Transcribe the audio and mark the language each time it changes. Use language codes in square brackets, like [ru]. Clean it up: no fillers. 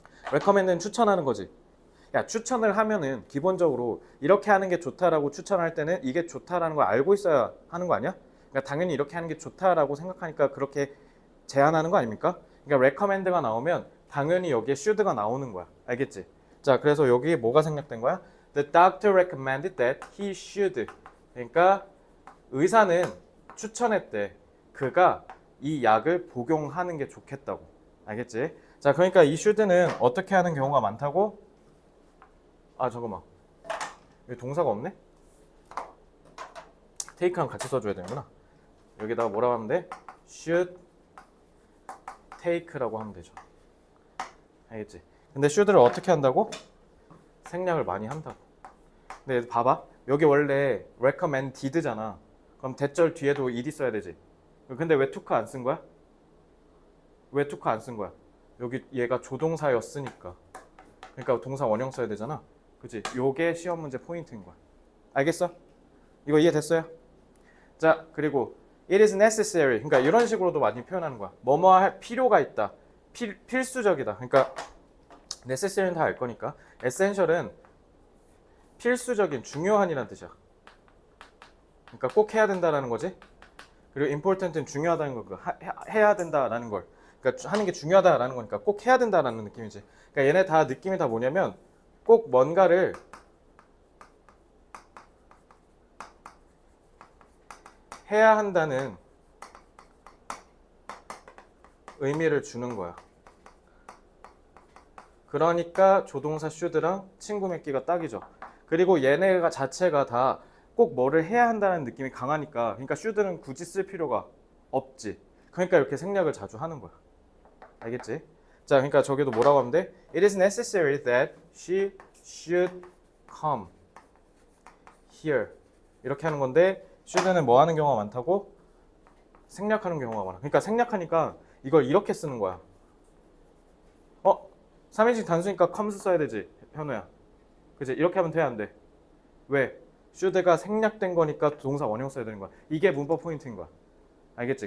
[ko] recommend는 추천하는 거지. 야, 추천을 하면은 기본적으로 이렇게 하는 게 좋다라고 추천할 때는 이게 좋다라는 걸 알고 있어야 하는 거 아니야? 그러니까 당연히 이렇게 하는 게 좋다라고 생각하니까 그렇게 제안하는 거 아닙니까? 그러니까 recommend가 나오면 당연히 여기에 should가 나오는 거야. 알겠지? 자, 그래서 여기에 뭐가 생략된 거야? [en] The doctor recommended that he should. [ko] 그러니까 의사는 추천했대. 그가 이 약을 복용하는 게 좋겠다고. 알겠지? 자, 그러니까 이 should는 어떻게 하는 경우가 많다고? 아, 잠깐만. 여기 동사가 없네? take랑 같이 써줘야 되는구나. 여기다가 뭐라고 하면 돼? [en] should take [ko] 라고 하면 되죠. 알겠지? 근데 should를 어떻게 한다고? 생략을 많이 한다고. 근데 봐봐. 여기 원래 recommended잖아. 그럼 대절 뒤에도 ed 써야 되지. 근데 왜 took 안쓴 거야? 왜 took 안쓴 거야? 여기 얘가 조동사였으니까. 그러니까 동사 원형 써야 되잖아. 그치? 요게 시험 문제 포인트인 거야. 알겠어? 이거 이해됐어요? 자, 그리고 [en] It is necessary. [ko] 그러니까 이런 식으로도 많이 표현하는 거야. 뭐뭐 할 필요가 있다. 필수적이다. 그러니까 necessary는 다알 거니까. essential은 필수적인, 중요한이란 뜻이야. 그러니까 꼭 해야 된다라는 거지. 그리고 important은 중요하다는 거. 해야 된다라는 걸. 그러니까 하는 게 중요하다라는 거니까 꼭 해야 된다라는 느낌이지. 그러니까 얘네 다 느낌이 다 뭐냐면 꼭 뭔가를 해야 한다는 의미를 주는 거야. 그러니까 조동사 should랑 친구 맺기가 딱이죠. 그리고 얘네가 자체가 다꼭 뭐를 해야 한다는 느낌이 강하니까, 그러니까 should는 굳이 쓸 필요가 없지. 그러니까 이렇게 생략을 자주 하는 거야. 알겠지? 자, 그러니까 저기도 뭐라고 하면 돼? [en] It is necessary that she should come here. [ko] 이렇게 하는 건데, should는 뭐 하는 경우가 많다고? 생략하는 경우가 많아. 그러니까 생략하니까 이걸 이렇게 쓰는 거야. 3인칭 단수니까 comes 써야 되지, 현우야. 그치? 이렇게 하면 돼, 안 돼? 왜? should가 생략된 거니까 동사 원형 써야 되는 거야. 이게 문법 포인트인 거야. 알겠지?